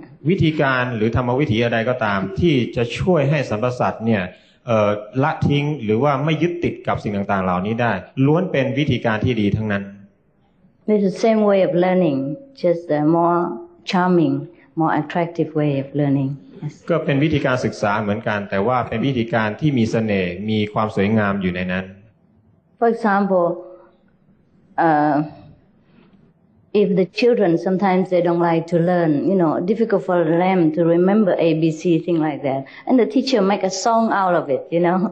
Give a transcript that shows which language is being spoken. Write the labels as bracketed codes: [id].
[th] วิธีการหรือธรรมวิธีอะไรก็ตามที่จะช่วยให้สรรพสัตว์เนี่ยละทิ้งหรือว่าไม่ยึดติดกับสิ่งต่างๆเหล่านี้ได้ล้วนเป็นวิธีการที่ดีทั้งนั้น [en] This is the same way of learning just a more charming more attractive way of learning [th] ก็เป็นวิธีการศึกษาเหมือนกันแต่ว่าเป็นวิธีการที่มีเสน่ห์มีความสวยงามอยู่ในนั้น [en] For example If the children sometimes they don't like to learn, you know, difficult for them to remember A, B, C, thing like that. And the teacher make a song out of it, you know.